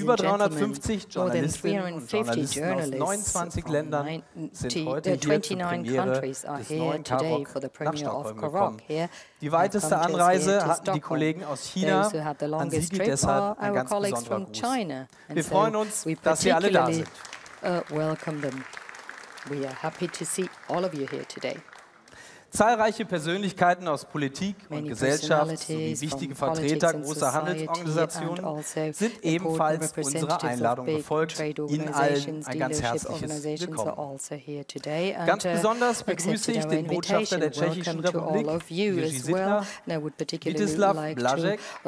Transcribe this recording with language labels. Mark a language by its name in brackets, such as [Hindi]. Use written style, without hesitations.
[German] über 350 Journalistinnen und Journalisten aus 29 Ländern sind heute hier zur Premiere des neuen Karoq nach Stockholm gekommen. Die weiteste Anreise hatten die Kollegen aus China, an Sie gilt deshalb ein ganz besonderer Gruß. Wir freuen uns, dass Sie alle da sind. [English] Welcome them. We are happy to see all of you here today. [German] Zahlreiche Persönlichkeiten aus Politik und Gesellschaft sowie wichtige Vertreter großer Handelsorganisationen sind ebenfalls unserer Einladung gefolgt. Ihnen allen ein ganz herzliches Willkommen. Ganz besonders begrüße ich den Botschafter der Tschechischen Republik, Jiří Sitner, Vítězslav Blažek,